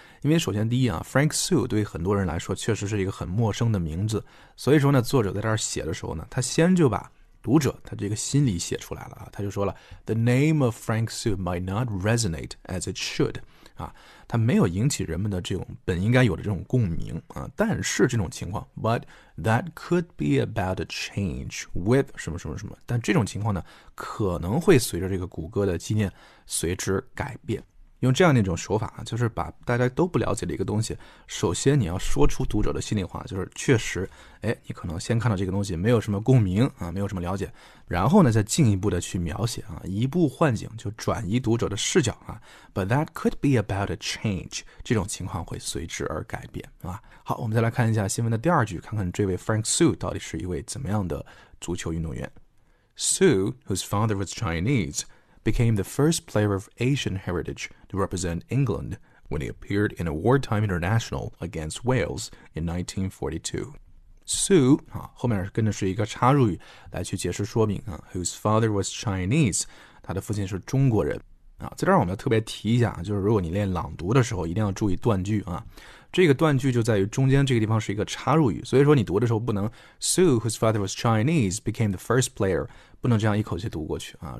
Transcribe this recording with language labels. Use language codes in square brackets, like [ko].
[zh] 因为首先第一啊 ，Frank Sue 对很多人来说确实是一个很陌生的名字，所以说呢，作者在这儿写的时候呢，他先就把读者他这个心里写出来了啊，他就说了 ， [en] The name of Frank Sue might not resonate as it should， [zh] 啊，他没有引起人们的这种本应该有的这种共鸣啊，但是这种情况 ， [en] but that could be about a change with [zh] 什么什么什么，但这种情况呢，可能会随着这个谷歌的纪念随之改变。用这样的一种手法，就是把大家都不了解的一个东西，首先你要说出读者的心里话，就是确实，哎，你可能先看到这个东西没有什么共鸣啊，没有什么了解，然后呢，再进一步的去描写啊，移步换景，就转移读者的视角啊。 [en] But that could be about a change， [zh] 这种情况会随之而改变啊。好，我们再来看一下新闻的第二句，看看这位 Frank Sue 到底是一位怎么样的足球运动员。 [en] Sue, whose father was Chinese. Became the first player of Asian heritage to represent England when he appeared in a wartime international against Wales in 1942. [zh] Sue, 后面跟着是一个插入语来去解释说明、啊、 [en] whose father was Chinese, [zh] 他的父亲是中国人、啊、在这儿我们要特别提一下，就是如果你练朗读的时候一定要注意断句、啊、这个断句就在于中间这个地方是一个插入语，所以说你读的时候不能 [en] Sue, whose father was Chinese, became the first player, [zh] 不能这样一口气读过去啊！